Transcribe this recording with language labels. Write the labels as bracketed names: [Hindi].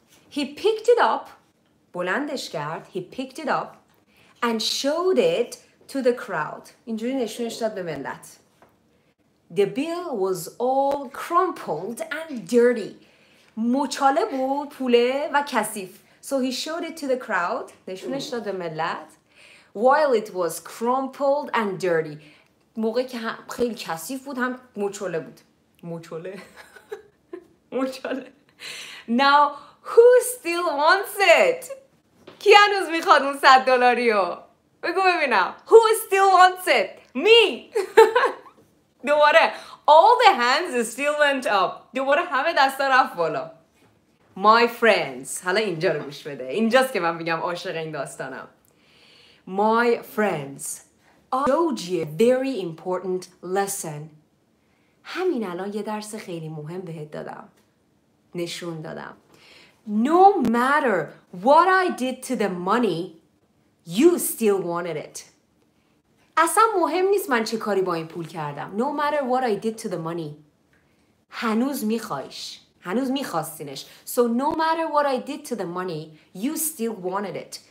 [English] He picked it up, [Persian] بلندش کرد, [English] he picked it up and showed it to the crowd. [Persian] اینجوری نشونش داد به ملت. [English] The bill was all crumpled and dirty. [Persian] مچاله بود پوله و کثیف. [English] So he showed it to the crowd. [Persian] نشونش داد به ملت. [English] While it was crumpled and dirty. [Persian] موقعی که هم خیلی کثیف بود هم مچاله بود. مچاله. مچاله. [English] Now who still wants it? [Persian] کی هنوز میخواد اون $100 بگو ببینم. [English] Who still wants it? Me. [Persian] دوباره [English] all the hands still went up. [Persian] دوباره همه دستا رفت بالا. [English] My friends. [Persian] حالا اینجا رو گوش بده. اینجاست که من میگم عاشق این داستانم. [English] My friends. I told you a very important lesson. [Persian] همین الان یه درس خیلی مهم بهت دادم. نشون دادم. [English] No matter what I did to the money, you still wanted it. [Persian] اصلا مهم نیست من چه کاری با این پول کردم. [English] No matter what I did to the money. [Persian] هنوز میخوایش. هنوز میخواستینش. [English] So no matter what I did to the money, you still wanted it.